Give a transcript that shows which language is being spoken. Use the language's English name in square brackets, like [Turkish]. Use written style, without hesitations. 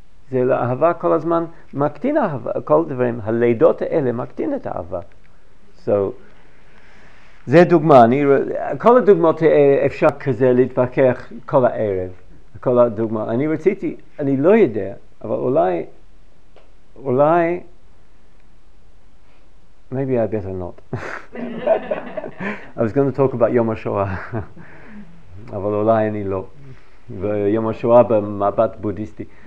[Hebrew] זה לאהבה כל הזמן מקטין אהבה, כל דברים, הלידות האלה מקטין את האהבה. So, זה דוגמה, כל הדוגמאות אפשר כזה להתווכח כל הערב, כל הדוגמאות. אני רציתי, אני לא יודע, אבל אולי, [English] maybe I better not. I was going to talk about Yom HaShoah. [Hebrew] אבל אולי אני לא. ויום השואה במבט בודיסטי.